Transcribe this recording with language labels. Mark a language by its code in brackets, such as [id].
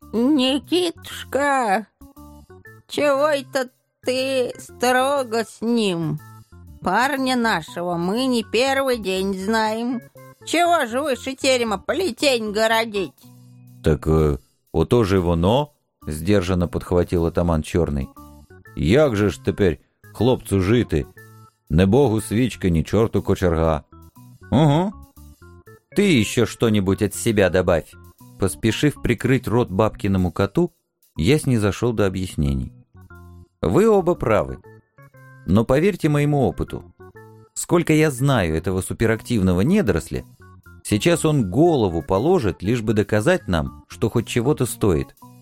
[ru] «Никитушка, чего это ты строго с ним? Парня нашего мы не первый день знаем. Чего же выше терема плетень городить?» [uk] «Так ото же воно», [ru] — сдержанно подхватил атаман Черный. [uk] «Як же ж теперь хлопцу жити? Не богу свічка, ні чорту кочерга». [ru] «Угу. Ты еще что-нибудь от себя добавь!» Поспешив прикрыть рот бабкиному коту, я снизошел до объяснений. «Вы оба правы. Но поверьте моему опыту. Сколько я знаю этого суперактивного недоросля, сейчас он голову положит, лишь бы доказать нам, что хоть чего-то стоит.